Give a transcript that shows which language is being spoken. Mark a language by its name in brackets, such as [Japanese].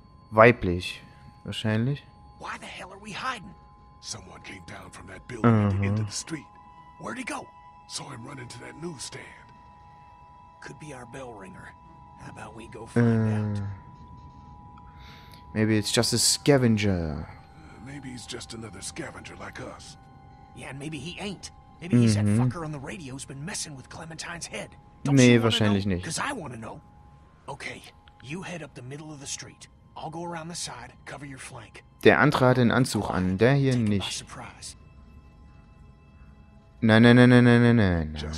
[German] Weiblich, wahrscheinlich. [English] Why the hell are we hiding? Someone came down from that building at the end of the street. Where'd he go? Saw him run into that newsstand. Could be our bell ringer. How about we go find out? Maybe it's just a scavenger. Maybe he's just another scavenger like us. Yeah, and maybe he ain't. Maybe he's that fucker on the radio's been messing with Clementine's head. Don't [German] nee, wahrscheinlich [English] know? [German] Nicht. [English] Because I want to know. Okay, you head up the middle of the street. I'll go around the side, cover your flank. [German] Der andere hat den Anzug an, der hier nicht. Nein.